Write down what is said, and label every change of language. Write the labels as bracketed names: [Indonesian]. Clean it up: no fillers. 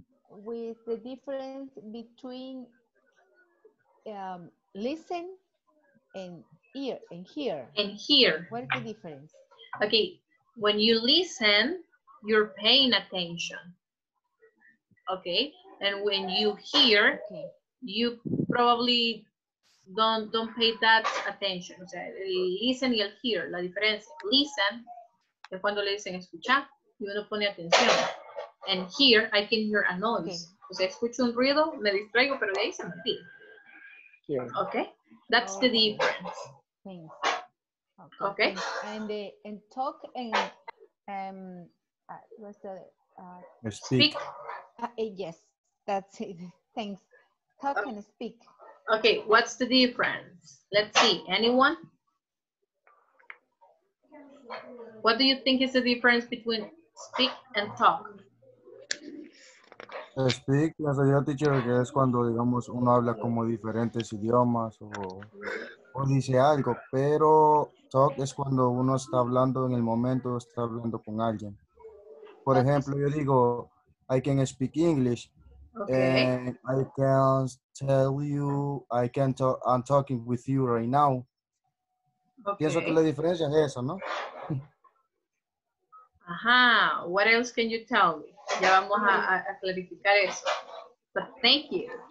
[English] With the difference between listen and ear and hear. And hear. What is the difference? Okay, when you listen, you're paying attention. Okay, and when you hear, you probably don't pay that attention. [Spanish] O sea, listen y el hear, la diferencia. Listen, es cuando le dicen escucha, y uno pone atención. [English] And here, I can hear a noise. [Spanish] Okay. O sea, escucho un ruido, me distraigo, pero ahí se me pide. [English] Yeah. Okay? That's the difference. Thanks. Okay. And talk and, what's the other? Speak. Yes, that's it. Thanks. Talk and speak. Okay, what's the difference? Let's see. Anyone? What do you think is the difference between speak and talk? [Spanish] Speak, la sabía, teacher, que es cuando, digamos, uno habla como diferentes idiomas o dice algo, pero talk es cuando uno está hablando en el momento, está hablando con alguien. Por ejemplo, yo digo, [English] I can speak English, okay. And I can tell you, I can talk, I'm talking with you right now. Okay. [Spanish] Pienso que la diferencia es esa, ¿no? [English] Ajá, what else can you tell me? [Spanish] Ya vamos a clarificar eso. [English] But thank you.